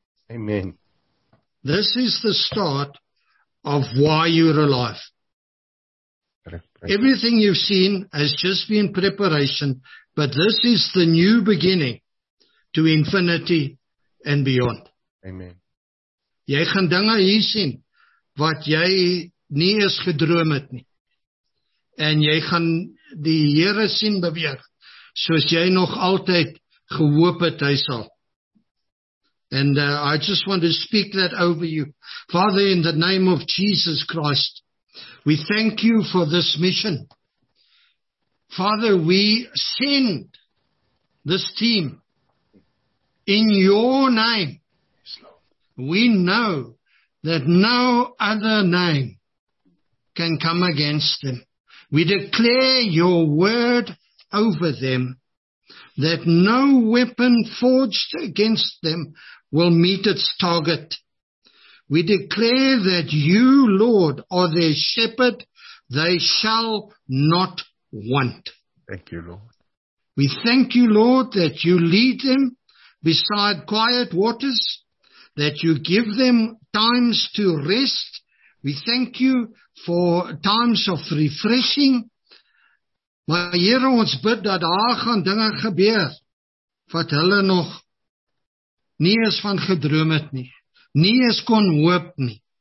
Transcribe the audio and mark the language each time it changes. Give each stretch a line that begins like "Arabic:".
English: Amen. This is the start of why you're alive. Everything you've seen has just been preparation, but this is the new beginning to infinity and beyond. Amen.
Afrikaans: Jy gaan dinge hier sien wat jy nie eens gedroom het nie. En jy gaan die Here sien beweeg soos jy nog altyd gehoop het hy sal.
English: And I just want to speak that over you. Father, in the name of Jesus Christ, we thank you for this mission. Father, we send this team in your name, we know that no other name can come against them. We declare your word over them, that no weapon forged against them will meet its target. We declare that you, Lord, are their shepherd. They shall not want. Thank you, Lord. We thank you, Lord, that you lead them beside quiet waters, that you give them times to rest. We thank you for times of refreshing.
Afrikaans: Maar Here, ons bid dat daar gaan dinge gebeur wat hulle nog nie eens van gedroom het nie, nie eens kon hoop nie.